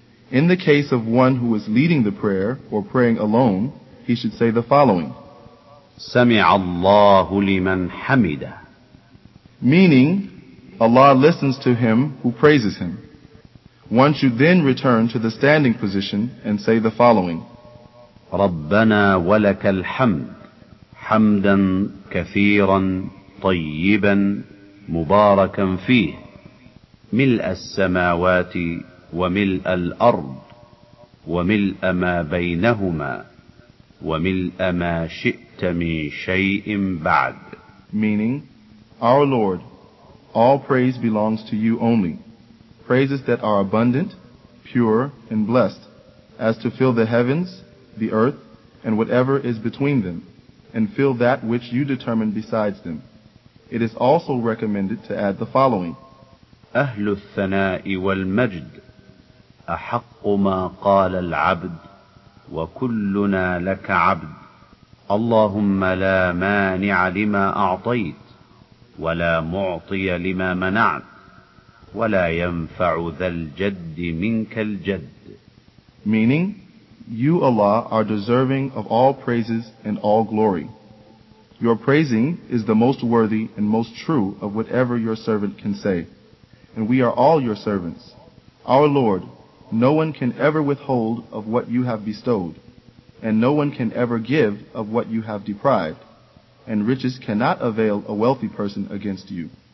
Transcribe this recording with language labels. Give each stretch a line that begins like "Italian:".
English: In the case of one who is leading the prayer or praying alone, he should say the following.
Arabic: سَمِعَ اللَّهُ لِمَنْ حَمِدَ.
English: Meaning, Allah listens to him who praises him. One should then return to the standing position and say the following.
Arabic: رَبَّنَا وَلَكَ الْحَمْدِ حَمْدًا كَثِيرًا طَيِّبًا مُبَارَكًا فِيهِ مِلْأَ السَّمَاوَاتِ وملء الأرض وملء ما بينهما وملء ما شئت من شيء بعد.
English: Meaning, Our Lord, all praise belongs to you only. Praises that are abundant, pure, and blessed, as to fill the heavens, the earth, and whatever is between them, and fill that which you determine besides them. It is also recommended to add the following.
Arabic: أهل الثناء والمجد أحق ما قال العبد وكلنا لك عبد اللهم لا مانع لما أعطيت ولا معطي لما منعت ولا ينفع ذا الجد منك الجد.
English: Meaning, you Allah are deserving of all praises and all glory. Your praising is the most worthy and most true of whatever your servant can say. And we are all your servants. Our Lord, no one can ever withhold of what you have bestowed, and no one can ever give of what you have deprived, and riches cannot avail a wealthy person against you.